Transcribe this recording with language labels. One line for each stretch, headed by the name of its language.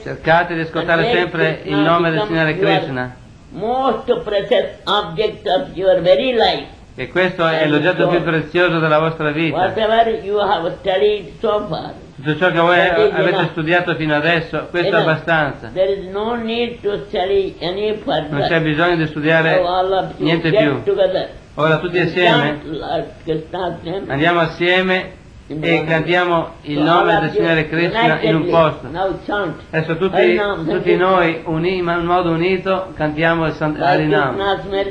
Italian: Cercate di ascoltare sempre il nome del Signore Krishna.
English: Most precious object of your very life.
Italian: E questo è l'oggetto più prezioso della vostra vita.
English: Whatever you have studied so far.
Italian: Tutto ciò che voi avete studiato fino adesso, questo è abbastanza.
English: There is no need to study any further.
Italian: Non c'è bisogno di studiare niente più. Ora tutti assieme andiamo assieme e cantiamo il nome del Signore Krishna in un posto. Adesso tutti noi in modo unito cantiamo il Santo Harinam.